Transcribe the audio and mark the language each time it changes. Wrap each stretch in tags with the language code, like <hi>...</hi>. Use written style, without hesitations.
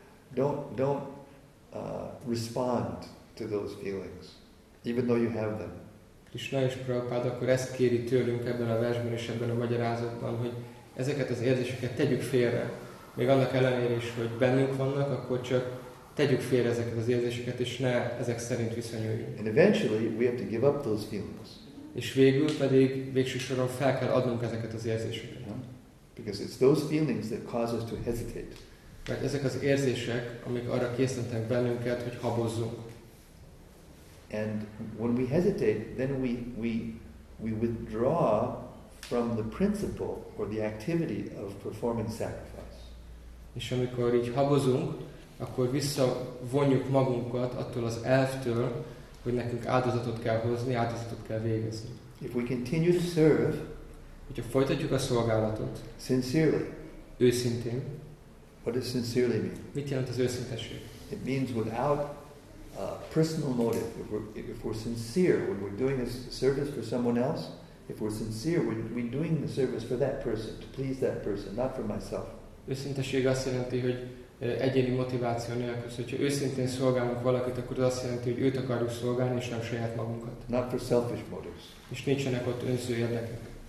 <en>Don't respond to those feelings, even though you have them.</en> <hu>Krishna és Prabhupada akkor ezt kéri tőlünk ebben a versben és ebben a magyarázatban, hogy ezeket az érzéseket tegyük félre, még annak ellenére is, hogy bennünk vannak, akkor csak tegyük félre ezeket az érzéseket, és ne ezek szerint viszonyuljunk.</hu> <en>And eventually we have to give up those feelings.</en> <hu>És végül pedig végső soron fel kell adnunk ezeket az érzéseket.</hu> <en>Because it's those feelings that cause us to hesitate.</en> <hu>Mert ezek az érzések, amik arra készítenek bennünket, hogy habozzunk.</hu> <en>And when we hesitate, then we withdraw from the principle or the activity of performing sacrifice.</en> <hu>És amikor így habozunk, akkor visszavonjuk magunkat attól az elvtől, hogy nekünk áldozatot kell hozni, áldozatot kell végezni.</hu> <en>If we continue to serve,</en> <hu>hogyha folytatjuk a szolgálatot,</hu> <en>sincerely,</en> <hu>őszintén,</hu> <en>what does sincerely mean?</en> <hu>Mit jelent az őszinteség?</hu> <en>It means without personal motive. If we're sincere, when we're doing a service for someone else, if we're sincere, we're doing the service for that person, to please that person, not for myself.</en> <hu>Őszinteség azt jelenti, hogy egyéni motiváció nélkül. Szóval, hogyha őszintén szolgálunk valakit, akkor az azt jelenti, hogy őt akarjuk szolgálni, és nem saját magunkat.</hu> <en>Not for selfish motives.</en> <hu>És nincsenek ott önző érdekek.</hu>